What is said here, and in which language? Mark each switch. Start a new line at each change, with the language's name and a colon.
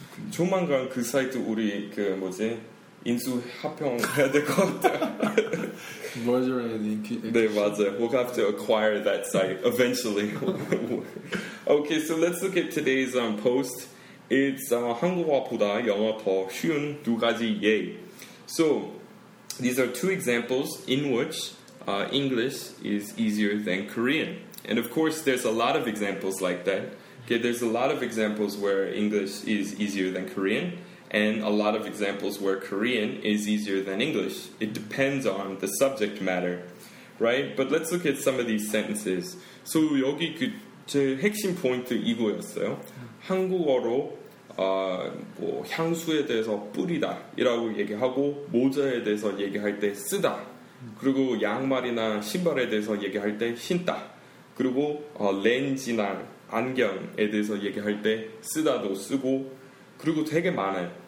Korean: 조만간 그 사이트 우리 그 뭐지? 인수 합병 해야 될 것 같아요. 뭐죠, 인기. 네, 맞아요.
English: We'll have to acquire that site eventually. Okay, so let's look at today's post.
Korean: It's 한국어보다 영어 더 쉬운 두 가지 예.
English: So, these are two examples in which English is easier than Korean. And of course, there's a lot of examples like that. Okay, there's a lot of examples where English is easier than Korean. And a lot of examples where Korean is easier than English. It depends on the subject matter, right? But let's look at some of these sentences.
Korean: So 여기 제 핵심 포인트 이거였어요. 한국어로 뭐 향수에 대해서 뿌리다 이라고 얘기하고 모자에 대해서 얘기할 때 쓰다. 그리고 양말이나 신발에 대해서 얘기할 때 신다. 그리고 렌즈나 안경에 대해서 얘기할 때 쓰다도 쓰고 그리고 되게 많아요.